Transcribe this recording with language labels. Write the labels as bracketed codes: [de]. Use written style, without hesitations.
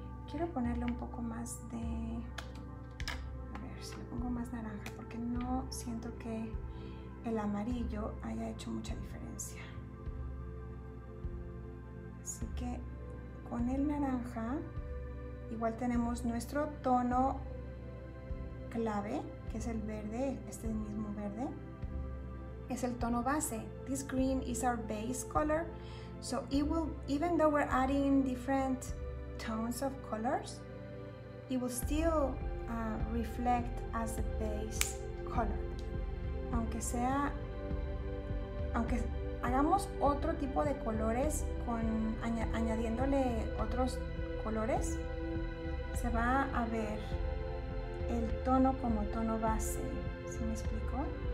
[es] Quiero ponerle un poco más de, a ver si le pongo más naranja, porque no siento que el amarillo haya hecho mucha diferencia. Así que con el naranja, igual tenemos nuestro tono clave, que es el verde, este mismo verde, es el tono base. [en] This green is our base color, so it will, even though we're adding different tones of colors, it will still reflect as the base color. [es] Aunque sea, aunque hagamos otro tipo de colores con añadiéndole otros colores, se va a ver el tono como tono base. ¿Sí me explico?